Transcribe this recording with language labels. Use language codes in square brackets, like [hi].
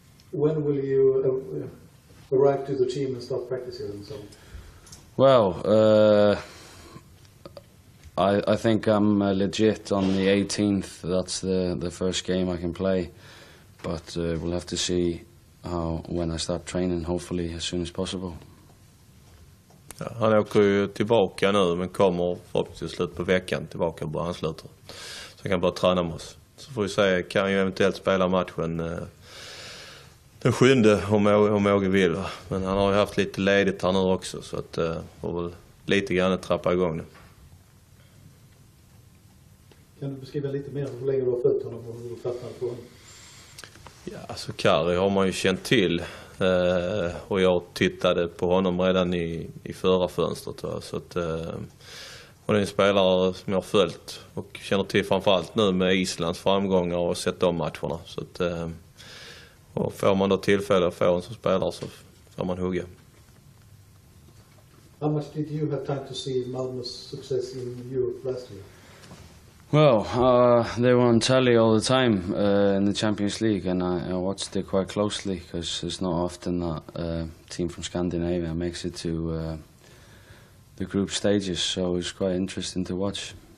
[en] When will you arrive to the team and start practicing and so on? Well, I think I'm legit on the 18th. That's the first game I can play, but we'll have to see when I start training, hopefully as soon as possible. [sv] Ja, han åker ju tillbaka nu men kommer förhoppningsvis slut på veckan tillbaka och bara ansluter. Så han kan bara träna med oss. Så får vi se, kan ju eventuellt spela matchen den sjunde om Åge vill. Men han har ju haft lite ledigt här nu också så att får väl lite grann att trappa igång nu. Kan du beskriva lite mer hur länge du har följt honom och hur du fattar på honom? Ja, alltså Kari har man ju känt till. Och jag tittade på honom redan i förra fönstret. Va? Så att, och det är en spelare som jag har följt och känner till framförallt nu med Islands framgångar och sett de matcherna. Så att, och får man då tillfälle att få en som spelare så får man hugga. [en] How much did you have time to see Malmö's success in Europe last year? Well, they were on telly all the time in the Champions League, and I watched it quite closely because it's not often that a team from Scandinavia makes it to the group stages, so it's quite interesting to watch.